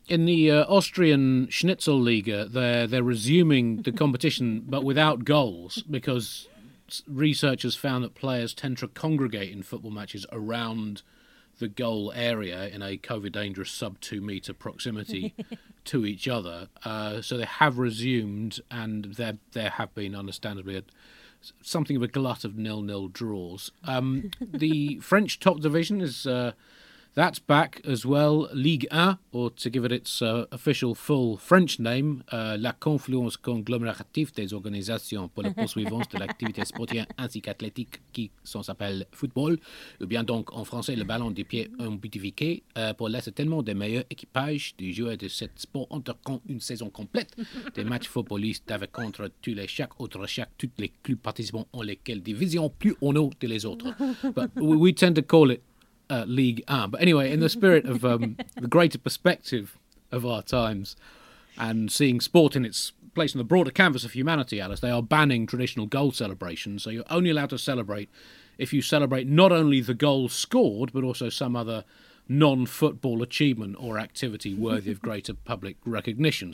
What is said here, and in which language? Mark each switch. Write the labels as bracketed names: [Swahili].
[English] In the Austrian Schnitzelliga, they're resuming the competition, but without goals, because researchers found that players tend to congregate in football matches around the goal area in a COVID-dangerous sub-2-metre proximity to each other. So they have resumed, and there have been, understandably, something of a glut of 0-0 draws. The French top division is that's back as well. [French] Ligue 1, [English] or to give it its official full French name, [French] La Confluence Conglomérative des Organisations pour la Poursuivance de l'Activité Sportive ainsi qu'Athlétique qui s'en s'appelle Football, ou bien donc en français le ballon des pieds ambitifié pour l'assainement des meilleurs équipages des joueurs de cet sport entrant une saison complète des matchs footballistes avec contre tous les chaque autre chaque toutes les clubs participants en lesquelles division plus on haut que les autres. [English] But we tend to call it Ligue 1. But anyway, in the spirit of the greater perspective of our times and seeing sport in its place in the broader canvas of humanity, Alice, they are banning traditional goal celebrations. So you're only allowed to celebrate if you celebrate not only the goal scored, but also some other non-football achievement or activity worthy of greater public recognition.